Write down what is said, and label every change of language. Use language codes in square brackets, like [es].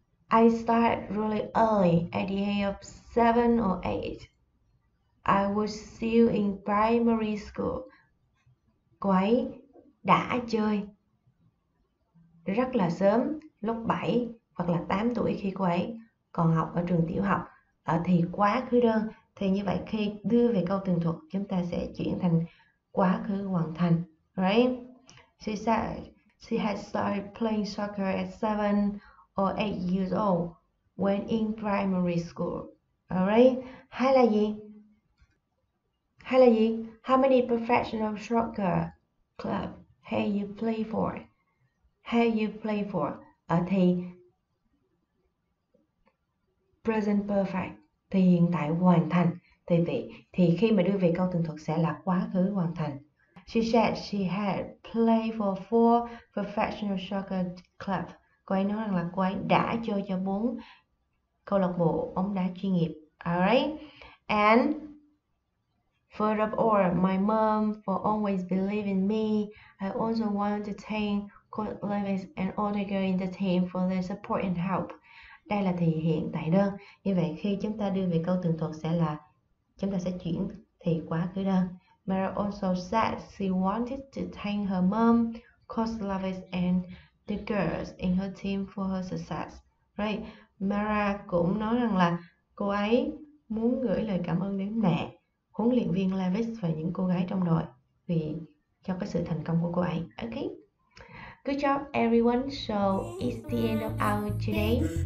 [en] I started really early at the age of 7 or 8. I was still in primary school. [vi] Cô ấy đã chơi rất là sớm, lúc 7 hoặc là 8 tuổi khi cô ấy còn học ở trường tiểu học. Ở thì quá khứ đơn. Thì như vậy khi đưa về câu tường thuật, chúng ta sẽ chuyển thành quá khứ hoàn thành. [en] Right? She said she had started playing soccer at 7 or 8 years old when in primary school. Alright? [vi] Hay là gì? Hay là gì? [en] How many professional soccer club have you played for? Have you played for? [vi] Ở thì present perfect, thì hiện tại hoàn thành. Thì vậy, thì khi mà đưa về câu tường thuật sẽ là quá khứ hoàn thành. [en] She said she had played for 4 professional soccer clubs. [vi] Cô ấy nói rằng là cô ấy đã chơi cho 4 câu lạc bộ bóng đá chuyên nghiệp. [en] Alright? And furthermore, my mom for always believing me. I also wanted to thank Coach Levis and all the girls in the team for their support and help. [vi] Đây là thì hiện tại đơn. Như vậy khi chúng ta đưa về câu tường thuật sẽ là chúng ta sẽ chuyển thì quá khứ đơn. [en] Mara also said she wanted to thank her mom, Coach Levis and the girls in her team for her success. Right? [vi] Mara cũng nói rằng là cô ấy muốn gửi lời cảm ơn đến mẹ, huấn luyện viên Levis và những cô gái trong đội vì cho cái sự thành công của cô ấy. [en] Okay. Good job everyone. So it's the end of our today.